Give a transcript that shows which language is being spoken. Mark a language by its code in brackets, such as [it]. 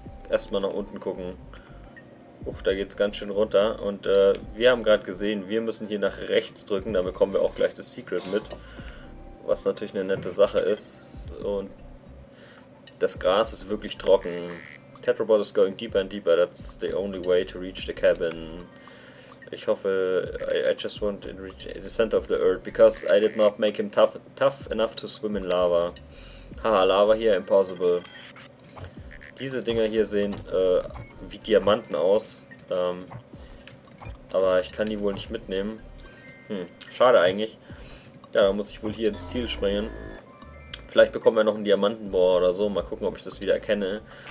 [de] Erstmal nach unten gucken. Uff, da geht es ganz schön runter. Und wir haben gerade gesehen, wir müssen hier nach rechts drücken. Dann bekommen wir auch gleich das Secret mit. Was natürlich eine nette Sache ist. Und das Gras ist wirklich trocken. [en] Tetrabot is going deeper and deeper. That's the only way to reach the cabin. [de] Ich hoffe, [en] I just want to reach the center of the earth. Because I did not make him tough enough to swim in lava. Haha, Lava here, impossible. [de] Diese Dinger hier sehen wie Diamanten aus, aber ich kann die wohl nicht mitnehmen. Schade eigentlich. Ja, dann muss ich wohl hier ins Ziel springen. Vielleicht bekommen wir noch einen Diamantenbohrer oder so, mal gucken, ob ich das wieder erkenne.